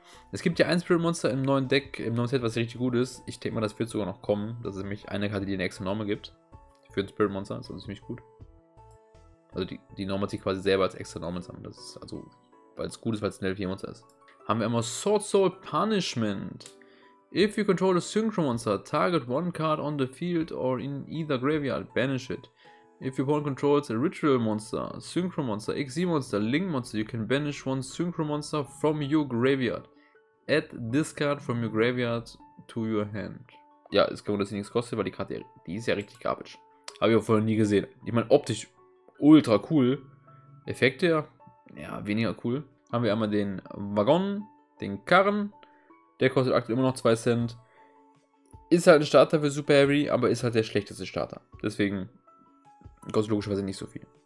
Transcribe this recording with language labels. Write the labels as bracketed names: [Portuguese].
[German] Es gibt ja ein Spirit Monster im neuen Deck, im neuen Set, was richtig gut ist. Ich denke mal, das wird sogar noch kommen. Das ist nämlich eine Karte, die eine extra Norme gibt. Für ein Spirit Monster, das ist ziemlich gut. Also die Norme zieht quasi selber als extra Norme zusammen. Das ist also, weil es gut ist, weil es ein Level 4 Monster ist. Haben wir einmal Sword Soul Punishment. [English] If you control a Synchro Monster, target one card on the field or in either graveyard, banish it. If your opponent controls a Ritual Monster, Synchro Monster, XZ Monster, Link Monster, you can banish one Synchro Monster from your graveyard. Add this card from your graveyard to your hand. [German] Ja, es kann man, dass sie nichts kostet, weil die Karte, die ist ja richtig garbage. Habe ich auch vorher nie gesehen. Ich meine, optisch ultra cool. Effekte, ja, weniger cool. Haben wir einmal den Waggon, den Karren. Der kostet aktuell immer noch 2 Cent. Ist halt ein Starter für Super Heavy, aber ist halt der schlechteste Starter. Deswegen kostet logischerweise nicht so viel.